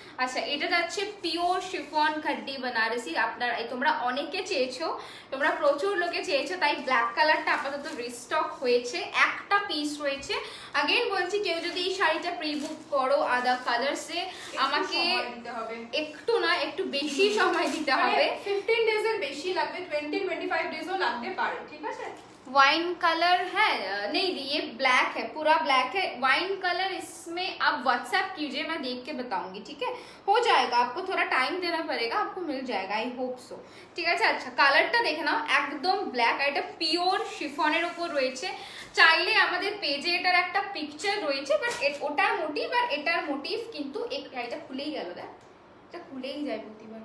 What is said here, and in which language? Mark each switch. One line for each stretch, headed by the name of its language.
Bangla: আচ্ছা, এটা যাচ্ছে পিওর শিফন খাদ্দি বনারসি, আপনারা তোমরা অনেকে চেয়েছো, তোমরা প্রচুর লোকে চেয়েছো, তাই ব্ল্যাক কালারটা আপাতত রিস্টক হয়েছে, একটা পিস রয়েছে। আগেন বলছি, কেউ যদি এই শাড়িটা প্রি বুক করো আদার কালার্সে, আমাকে একটু না একটু বেশি সময় দিতে হবে, 15 ডেজ এর বেশি লাগবে, 20-25 ডেজ ও লাগতে পারে, ঠিক আছে।
Hindi: वाइन कलर है नहीं, ये ब्लैक है, पूरा ब्लैक है, वाइन कलर इसमें आप व्हाट्सएप कीजिए, मैं देख के बताऊंगी, ठीक है, हो जाएगा, आपको थोड़ा टाइम देना पड़ेगा, आपको मिल जाएगा, आई होप सो, ठीक है। अच्छा, कलर तो देखना एकदम ब्लैक,
Bangla: एटा प्योर शिफॉनर ऊपर রয়েছে, চাইলে আমাদের পেজে এটার একটা পিকচার রয়েছে, বাট ওটার মোটিভ আর এটার মোটিভ কিন্তু এক, এটা খুলেই গেল, দেখ এটা খুলেই যায় প্রতিবার,